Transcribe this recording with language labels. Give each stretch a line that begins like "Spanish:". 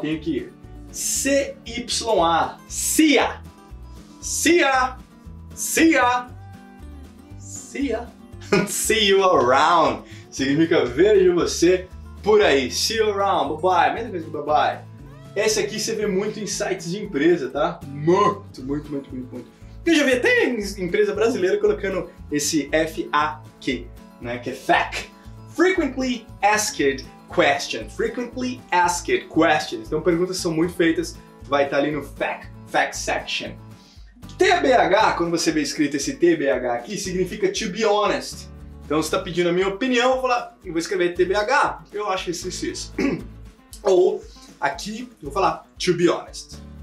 Portuguese: Tenho que ir. C-Y-A, CIA, CIA, CIA, CIA,
English: see you around,
Portuguese: significa vejo você por aí, see you around, bye-bye, mesma coisa que bye-bye. Esse aqui você vê muito em sites de empresa, tá? Muito, muito, muito, muito, muito. Eu já vi até em empresa brasileira colocando esse F-A-Q, né, que é FAQ.
English: Frequently Asked Question. Frequently Asked Questions.
Portuguese: Então perguntas são muito feitas, vai estar ali no FAQ section. TBH, quando você vê escrito esse TBH aqui, significa
English: to be honest.
Portuguese: Então você está pedindo a minha opinião, eu vou lá e vou escrever TBH. Eu acho isso, isso, isso. Ou aqui eu vou falar
English: to be honest.